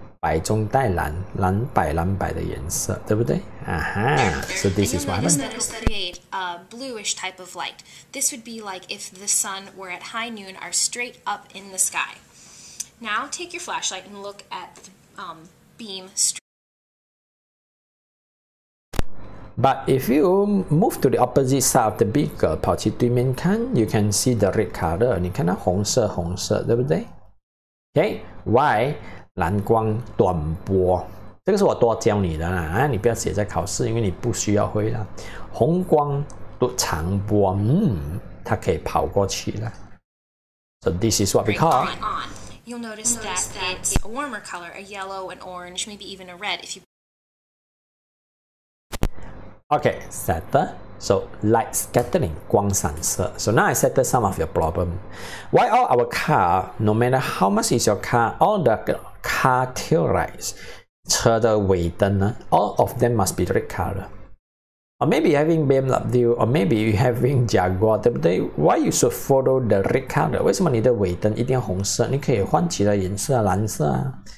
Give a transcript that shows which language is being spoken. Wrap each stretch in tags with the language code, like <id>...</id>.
<zh>白中带蓝,蓝白蓝白的颜色,对不对?</zh> <en>So this is what happened. And you'll notice that it's a bluish type of light. This would be like if the sun were at high noon or straight up in the sky. Now take your flashlight and look at the beam straight. But if you move to the opposite side of the beaker,</en> <zh>跑去对面看,</zh> <en>you can see the red color,</en> <zh>你看到红色红色对不对?</zh> <en>Okay, why?</en> <zh>蓝光短波。这个是我多教你的啦，你不要写在考试，因为你不需要会啦。红光长波，它可以跑过去啦。</zh> <en>So this is what we call. You'll notice that it's a warmer color, a yellow, an orange, maybe even a red if you... Okay, settle. So, light scattering,</en> <zh>光散射.</zh> <en>So now I settle some of your problem. Why all our car, no matter how much is your car, all the car tail lights,</en> <zh>车的尾灯,</zh> <en>all of them must be red color. Or maybe having BMW, or maybe you having Jaguar,</en> <zh>对不对?</zh> <en>Why you should follow the red color?</en> <zh>为什么你的尾灯一定红色?你可以换其他颜色,蓝色啊。</zh>